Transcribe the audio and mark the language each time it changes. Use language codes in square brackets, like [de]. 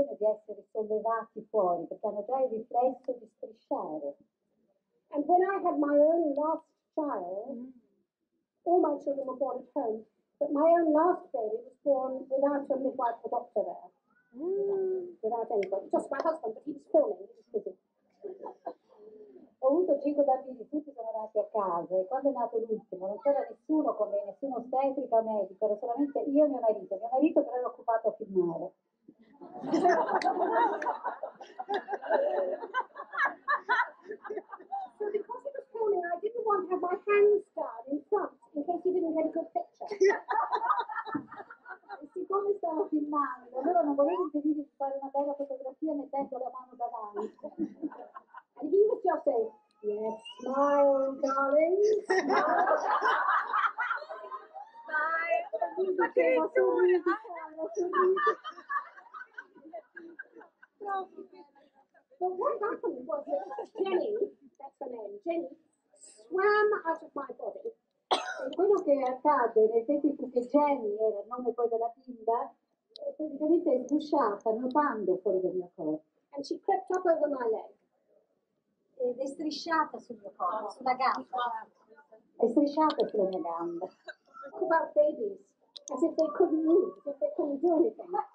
[it] Fuori perché hanno già il riflesso di strisciare. [en] And when I had my own last child, all my children were born at home, but my own last baby was born without a midwife or doctor there. Without anybody, just my husband, but he was falling, he was busy. [it] Ho avuto 5 bambini, tutti sono nati a casa, e quando è nato l'ultimo non c'era nessuno con me, nessuno ostetrica o medico, era solamente io e mio marito. Mio marito però era occupato a filmare. [en] So because of the falling, I didn't want to have my hands down in front in case he didn't get a good picture. [it] E siccome stavo filmando, allora non volevo impedire di fare una bella fotografia mettendo la mano davanti. [en] And he was just saying, yes, smile, darling, smile. Smile. But what happened was that Jenny, that's her name, Jenny, swam out of my body. It [it] quello che accade nel tempo fu che Jenny era il nome poi della bimba, praticamente è sgusciata, nuotando fuori dal mio corpo. [en] And she crept up over my leg. [it] Ed è strisciata sul mio corpo, sulla gamba. È strisciata sulla mia gamba. [en] Talk about babies. As if they couldn't move, as if they couldn't do anything.